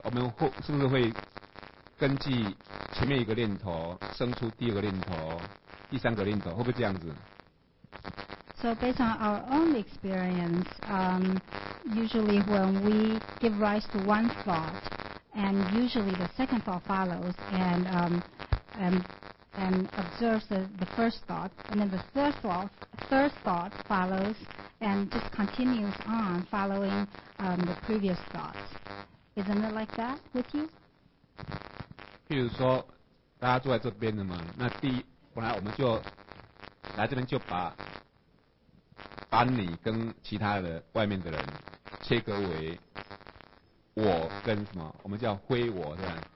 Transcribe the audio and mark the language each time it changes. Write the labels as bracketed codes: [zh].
[zh] 我们是不是会根据前面一个念头生出第二个念头，第三个念头，会不会这样子 [en] ？So based on our own experience, usually when we give rise to one thought, and usually the second thought follows and observes the first thought, and then the third thought follows and just continues on following the previous thoughts. Isn't it like that with you? [zh] 譬如说大家坐在这边的嘛，那第一本来我们就来这边就把你跟其他的外面的人切割为我跟什么，我们叫灰我，是吧？